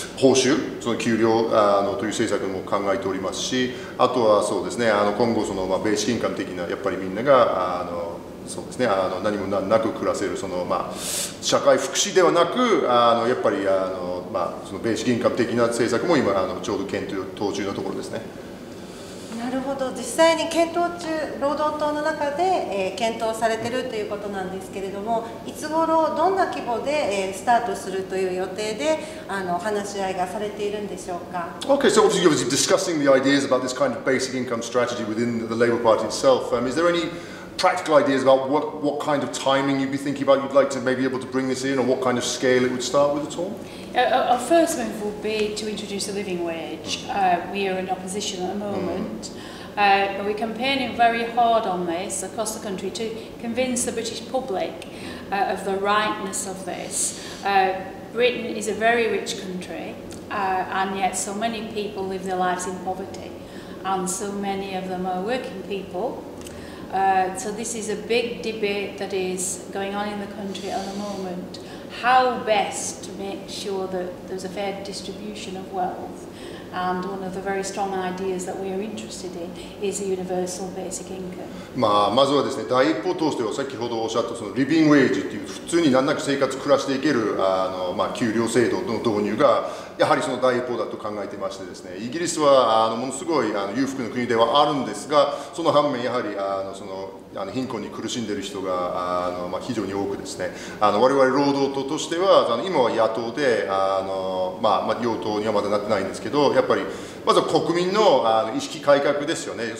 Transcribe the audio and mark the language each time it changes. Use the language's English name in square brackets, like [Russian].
[Japanese] 酬、その給料という政策も考えておりますし、あとはそうですね、今後その、まあ、ベーシックインカム的な、やっぱりみんながそうですね、何もなく暮らせるその、まあ、社会福祉ではなく、やっぱりまあ、そのベーシックインカム的な政策も今ちょうど検討中のところですね。なるほど。実際に検討中、労働党の中で、検討されているということなんですけれども、いつ頃どんな規模で、スタートするという予定で話し合いがされているんでしょうか。 [English] Okay, so obviously you're discussing the ideas about this kind of basic income strategy within the Labour Party itself. Is there any practical ideas about what kind of timing you'd be thinking about, you'd like to maybe able to bring this in, or what kind of scale it would start with at all? Our first move would be to introduce a living wage. We are in opposition at the moment. But we're campaigning very hard on this across the country to convince the British public of the rightness of this. Britain is a very rich country, and yet so many people live their lives in poverty, and so many of them are working people. So this is a big debate that is going on in the country at the moment. How best to make sure that there's a fair distribution of wealth? And one of the very strong ideas that we are interested in is a universal basic income. [Japanese] まあ、まずはですね、第一歩通しては先ほどおっしゃったそのリビングウェイジっていう普通に難なく生活暮らしていけるまあ、給料制度の導入がやはりその第一歩だと考えてましてですね、イギリスはものすごい裕福な国ではあるんですが、その反面やはりその貧困に苦しんでいる人がまあ、非常に多くですね、我々労働党としては今は野党で与党にはまだなってないんですけど、やっぱりまずは国民の意識改革ですよね。